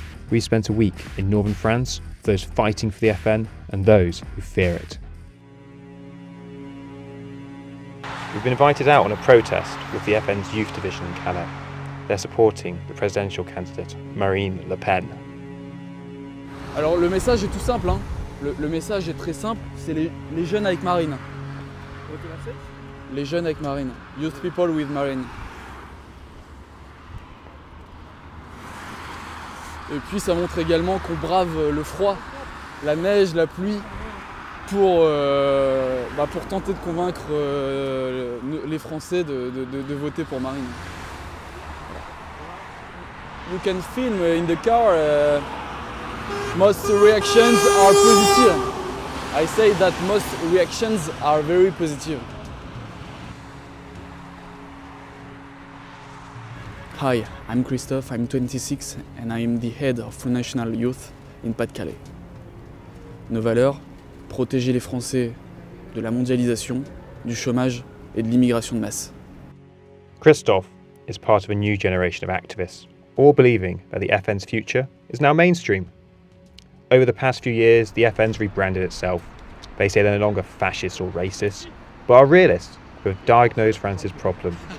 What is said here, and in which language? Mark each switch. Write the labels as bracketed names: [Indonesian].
[English] We spent a week in northern France with those fighting for the FN and those who fear it. We've been invited out on a protest with the FN's youth division in Calais. They're supporting the presidential candidate, Marine Le Pen. [French] Alors le message est tout simple, hein. Le message est très simple, c'est les jeunes avec Marine. [English] What's the message? [French] Les jeunes avec Marine. [English] Youth people with Marine. [French] Et puis ça montre également qu'on brave le froid, la neige, la pluie, pour tenter de convaincre les Français de voter pour Marine. [English] You can film in the car. Most reactions are positive. I say that most reactions are very positive. Hi, I'm Christophe, I'm 26, and I'm the head of Front National Youth in Pas-de-Calais. [French] Nos valeurs, protéger les Français de la mondialisation, du chômage et de l'immigration de masse. [English] Christophe is part of a new generation of activists, all believing that the FN's future is now mainstream. Over the past few years, the FN's rebranded itself. They say they're no longer fascist or racist, but are realists who have diagnosed France's problem.